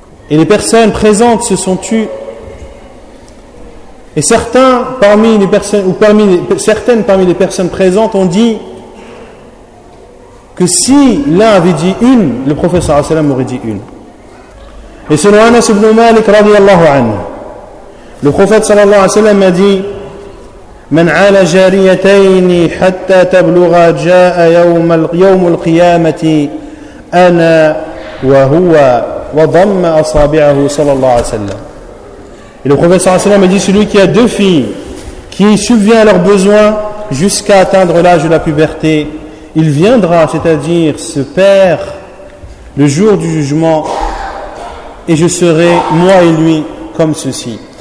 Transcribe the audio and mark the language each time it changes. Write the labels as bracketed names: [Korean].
[French] Et les personnes présentes se sont tues. Et certains parmi les personnes, ou parmi les, certaines parmi les personnes présentes ont dit que si l'un avait dit une, le prophète sallallahu alayhi wa sallam aurait dit une. Et selon Anas ibn Malik radiallahu anhu, le prophète sallallahu alayhi wa sallam a dit, [Arabic] من عال جاريتين حتى تبلغ جاء يوم القيامة أنا وهو وضم أصابعه صلى الله عليه وسلم. [French] Et le prophète sallallahu alayhi wa sallam a dit, celui qui a deux filles qui subvient à leurs besoins jusqu'à atteindre l'âge de la puberté, il viendra, c'est-à-dire ce père, le jour du jugement, et je serai moi et lui comme ceci.